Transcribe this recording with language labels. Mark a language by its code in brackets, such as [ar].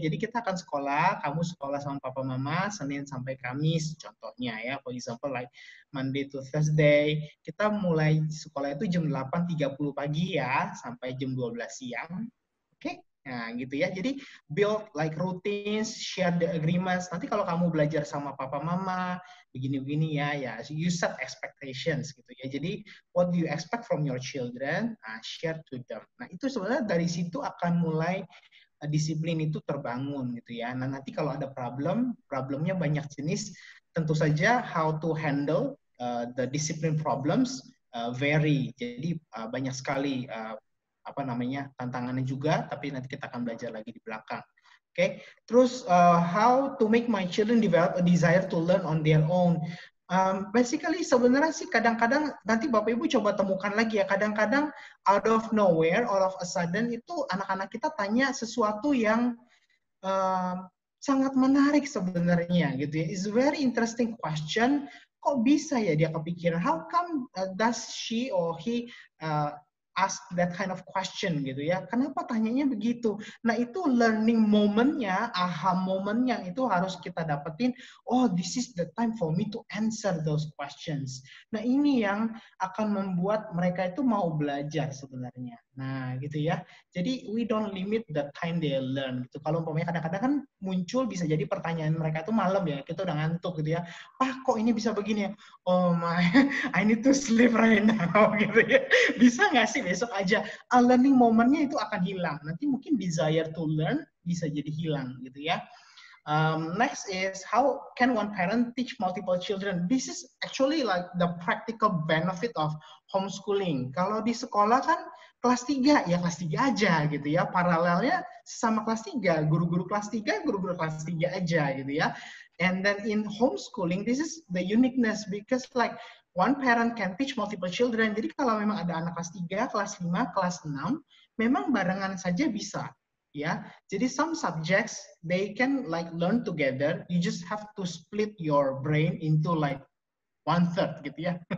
[id] Jadi kita akan sekolah, kamu sekolah sama papa mama Senin sampai Kamis contohnya ya, [en] for example like Monday to Thursday, [id] kita mulai sekolah itu jam 8.30 pagi ya sampai jam 12 siang, oke? Okay? Nah gitu ya, jadi [en] build like routines, share the agreements, [id] nanti kalau kamu belajar sama papa mama begini-begini ya, ya, [en] you set expectations [id] gitu ya. [en] Jadi, what do you expect from your children? Share to them. [id] Nah, itu sebenarnya dari situ akan mulai disiplin itu terbangun gitu ya. Nah, nanti kalau ada problemnya banyak jenis, tentu saja [en] how to handle the discipline problems vary. [id] Jadi, banyak sekali tantangannya juga, tapi nanti kita akan belajar lagi di belakang. [en] Okay, terus how to make my children develop a desire to learn on their own. [id] Basically sebenarnya sih kadang-kadang nanti Bapak Ibu coba temukan lagi ya, kadang-kadang [en] out of nowhere, all of a sudden [id] itu anak-anak kita tanya sesuatu yang sangat menarik sebenarnya gitu ya. [en] It's a very interesting question. [id] Kok bisa ya dia kepikiran? [en] How come does she or he ask that kind of question gitu ya. [id] Kenapa tanyanya begitu? Nah, itu learning moment-nya, aha moment-nya itu harus kita dapetin. [en] Oh, this is the time for me to answer those questions. [id] Nah, ini yang akan membuat mereka itu mau belajar sebenarnya. Nah, gitu ya. [en] Jadi, we don't limit the time they learn. [id] Gitu. Kalau umpamanya kadang-kadang kan muncul bisa jadi pertanyaan mereka itu malam ya, kita udah ngantuk gitu ya. Ah, kok ini bisa begini? [en] Oh my, I need to sleep right now. Gitu ya. [id] Bisa nggak sih besok aja? A learning moment-nya itu akan hilang. Nanti mungkin [en] desire to learn [id] bisa jadi hilang gitu ya. [en] Next is, how can one parent teach multiple children? This is actually like the practical benefit of homeschooling. [id] Kalau di sekolah kan kelas 3, ya kelas 3 aja gitu ya. Paralelnya sama kelas 3, guru-guru kelas 3, guru-guru kelas 3 aja gitu ya. [en] And then in homeschooling, this is the uniqueness because like one parent can teach multiple children. [id] Jadi kalau memang ada anak kelas 3, kelas 5, kelas 6, memang barengan saja bisa. [en] Ya, jadi some subjects they can like learn together. You just have to split your brain into like one third, gitu ya.